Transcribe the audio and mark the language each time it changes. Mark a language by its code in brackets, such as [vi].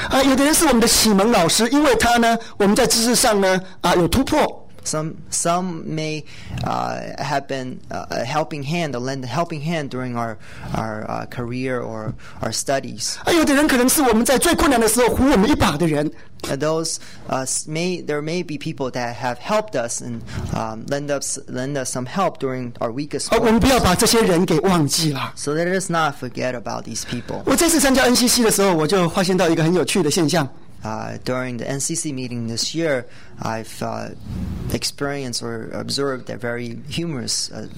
[zh] 有的人是我们的启蒙老师，因为他呢，我们在知识上呢有突破。 [en] Some may have been a lend a helping hand during our career or our studies. [zh] 有的人可能是我们在最困难的时候扶我们一把的人。 [en] There may be people that have helped us and lend us some help during our weakest moments. [zh] 我们不要把这些人给忘记了。 [en] So let us not forget about these people. [zh] 我这次参加 NCC 的时候，我就发现到一个很有趣的现象。 [en] During the NCC meeting this year, I've experienced or observed a very humorous